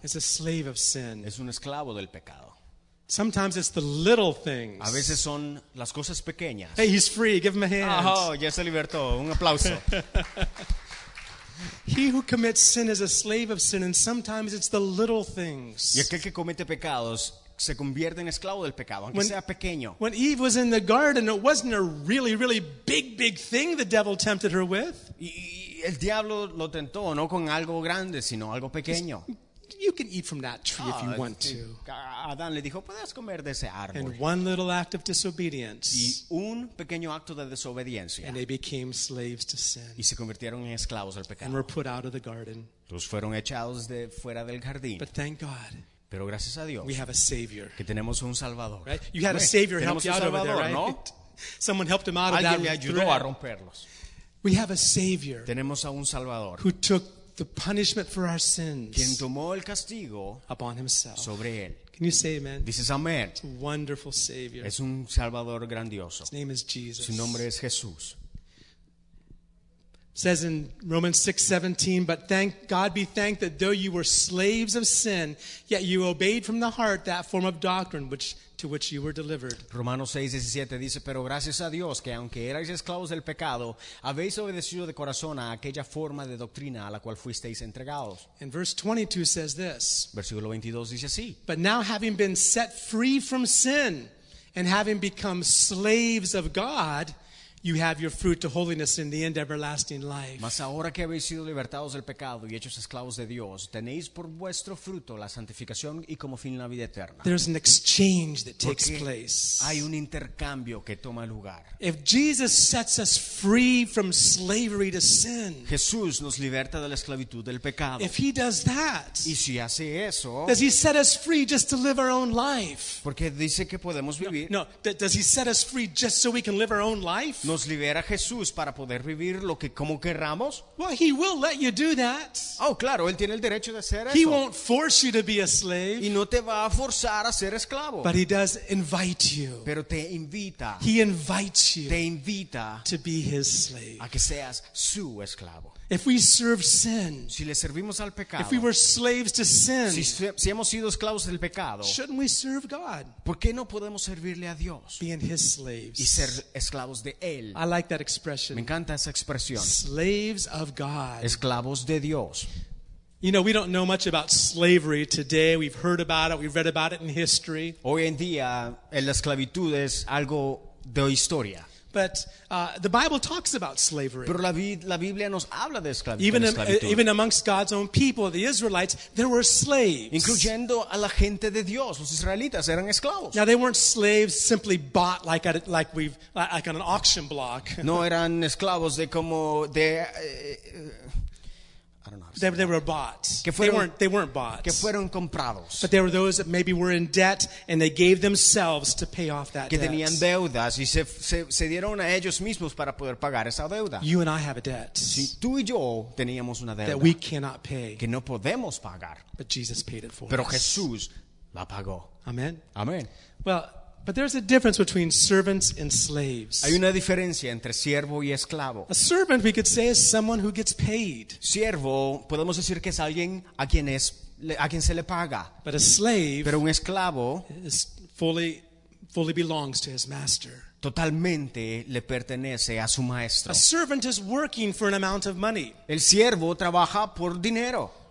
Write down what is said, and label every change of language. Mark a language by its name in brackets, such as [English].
[English] Is a slave of sin. [Spanish] Es un esclavo del pecado. [English] Sometimes it's the little things. [Spanish] A veces son las cosas pequeñas. [English] Hey, he's free. Give him a hand. [Spanish] Oh, ya se libertó. Un aplauso. [English] He who commits sin is a slave of sin, and sometimes it's the little things. [Spanish] Y aquel que comete pecados se convierte en esclavo del pecado, aunque sea pequeño. [English] When Eve was in the garden, it wasn't a really, really big, big thing the devil tempted her with. [Spanish] Y el diablo lo tentó no con algo grande, sino algo pequeño. [English] Just you can eat from that tree if you want to. [Spanish] Adán le dijo, puedes comer de ese árbol. [English] And one little act of disobedience. [Spanish] Y un pequeño acto de desobediencia. [English] And they became slaves to sin. [Spanish] Y se convirtieron en esclavos al pecado. [English] And were put out of the garden. [Spanish] Los fueron echados de fuera del jardín. [English] But thank God. [Spanish] Pero gracias a Dios. [English] We have a savior. [Spanish] Que tenemos un salvador. [English] Right? You had a savior help you out over there, right? [Spanish] ¿No? [English] Someone helped him out of that. [Spanish] Alguien le ayudó a romperlos. [English] We have a savior. [Spanish] Tenemos a un salvador. [English] Who took the punishment for our sins. [Spanish] Quien tomó el castigo [English] upon himself. [Spanish] Sobre él. [English] Can you say amen? [Spanish] Dices amén. [English] It's a wonderful savior. [Spanish] Es un salvador grandioso. [English] His name is Jesus. [Spanish] Su nombre es Jesús. [English] It says in Romans 6:17, but thank God be thanked that though you were slaves of sin, yet you obeyed from the heart that form of doctrine which to which you were delivered. [Spanish] Romanos 6:17 dice, pero gracias a Dios que aunque erais esclavos del pecado, habéis obedecido de corazón a aquella forma de doctrina a la cual fuisteis entregados. [English] And verse 22 says this. [Spanish] Versículo 22 dice así. [English] But now having been set free from sin and having become slaves of God, you have your fruit to holiness in the end, everlasting life. [Spanish] Mas ahora que habéis sido libertados del pecado y hechos esclavos de Dios, tenéis por vuestro fruto la santificación y como fin la vida eterna. [English] There's an exchange that takes place. [Spanish] Hay un intercambio que toma lugar. [English] If Jesus sets us free from slavery to sin, [Spanish] Jesús nos liberta de la esclavitud del pecado. [English] If he does that, [Spanish] y si hace eso, [English] does he set us free just to live our own life? [Spanish] Porque dice que podemos vivir. [English] No, does he set us free just so we can live our own life? [Spanish] ¿Nos libera Jesús para poder vivir lo que como querramos? [English] Well, he will let you do that. [Spanish] Oh, claro, él tiene el derecho de hacer eso. [English] He won't force you to be a slave. [Spanish] Y no te va a forzar a ser esclavo. [English] But he does invite you. [Spanish] Pero te invita. [English] He invites you. [Spanish] Te invita. [English] To be his slave. [Spanish] A que seas su esclavo. [English] If we serve sin, [Spanish] si le servimos al pecado, [English] if we were slaves to sin, [Spanish] si hemos sido esclavos del pecado, [English] shouldn't we serve God? [Spanish] ¿Por qué no podemos servirle a Dios? [English] Being his slaves. [Spanish] Y ser esclavos de él. [English] I like that expression. [Spanish] Me encanta esa expresión. [English] Slaves of God. [Spanish] Esclavos de Dios. [English] You know, we don't know much about slavery today. We've heard about it. We've read about it in history. [Spanish] Hoy en día, la esclavitud es algo de historia. [English] But the Bible talks about slavery. [Spanish] Pero la Biblia nos habla de esclavitud. [English] Even amongst God's own people, the Israelites, there were slaves. [Spanish] Incluyendo a la gente de Dios, los israelitas eran esclavos. [English] Now they weren't slaves simply bought like on an auction block. [Spanish] No eran esclavos de como de. [English] I don't know. They were bought. [Spanish] Que fueron, [English] they weren't bought. [Spanish] Que fueron comprados. [English] But they were those that maybe were in debt and they gave themselves to pay off that [Spanish] que [English] debt. [Spanish] Que tenían deudas y se dieron a ellos mismos para poder pagar esa deuda. [English] You and I have a debt. [Spanish] Si tú y yo teníamos una deuda [English] that we cannot pay. [Spanish] Que no podemos pagar. [English] But Jesus paid it for [Spanish] pero [English] us. [Spanish] Jesús la pagó. [English] Amen. [Spanish] Amen. [English] Well, but there's a difference between servants and slaves. [Spanish] Hay una diferencia entre siervo y esclavo. [English] A servant, we could say, is someone who gets paid. [Spanish] Siervo, podemos decir que es alguien a quien se le paga. [English] But a slave, [Spanish] pero un esclavo, [English] is fully belongs to his master. [Spanish] Totalmente le pertenece a su maestro. [English] A servant is working for an amount of money. [Spanish] El siervo trabaja por dinero.